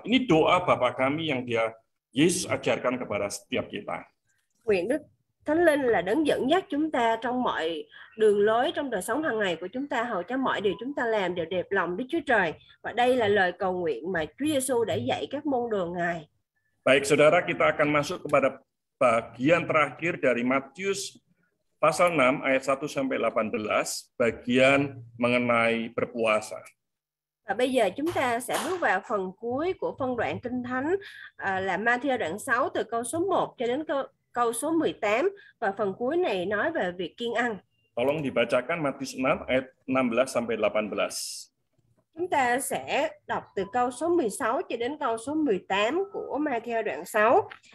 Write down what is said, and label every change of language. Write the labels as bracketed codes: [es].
[id] Ini doa Bapa kami yang Dia Yesus ajarkan kepada setiap kita. [vi] Nguyện Đức Thánh Linh là đấng dẫn dắt chúng ta trong mọi đường lối trong đời sống hàng ngày của chúng ta, hầu cho mọi điều chúng ta làm đều đẹp lòng Đức Chúa Trời. Và đây là lời cầu nguyện mà Chúa Giêsu đã dạy các môn đồ Ngài. [id] Baik saudara, kita akan masuk kepada bagian terakhir dari Matius pasal 6 ayat 1 sampai 18, bagian mengenai berpuasa. [vi] Và bây giờ chúng ta sẽ bước vào phần cuối của phân đoạn Kinh Thánh là Matthew đoạn 6 từ câu số 1 cho đến câu số 18, và phần cuối này nói về việc kiêng ăn. [id] Tolong dibacakan Matius 6 ayat 16 sampai 18. [vi] Chúng ta sẽ đọc từ câu số 16 cho đến câu số 18 của Matthew đoạn 6.